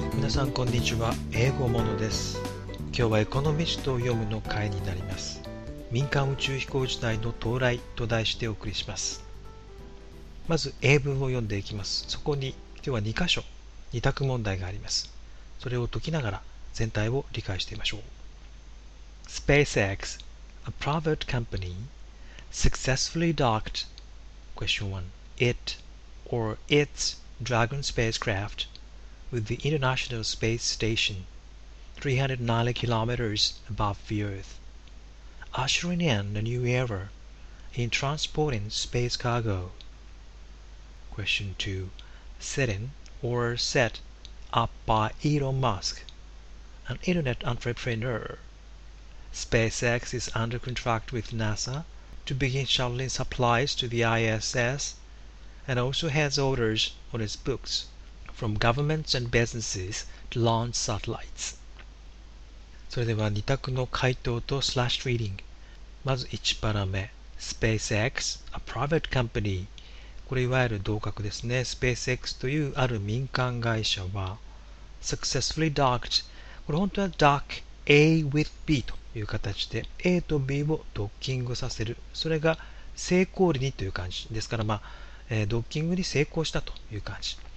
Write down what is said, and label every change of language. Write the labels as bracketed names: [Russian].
[Japanese] さんこんにちは、英語モノです。今日はエコノミストを読むの回になります。民間宇宙飛行時代の到来と題してお送りします。まず英文を読んでいきます。そこに今日は2箇所2択問題があります。それを解きながら全体を理解してみましょう。 [English] SpaceX, a private company, successfully docked question 1 it or its Dragon spacecraft with the International Space Station 390 kilometers above the Earth, ushering in a new era in transporting space cargo. Question 2. Setting or set up by Elon Musk, an internet entrepreneur. SpaceX is under contract with NASA to begin shuttling supplies to the ISS and also has orders on its books from governments and businesses to launch satellites. [Japanese] それでは2択の回答とスラッシュリーディング。まず1パラ目、 SpaceX, [English] a private company、 [Japanese] これいわゆる同格ですね。 SpaceX というある民間会社は [English] successfully docked、 [Japanese] これ本当は [English] dock A with B [Japanese] という形で A と B をドッキングさせる、それが成功裏にという感じですから、まあドッキングに成功したという感じ。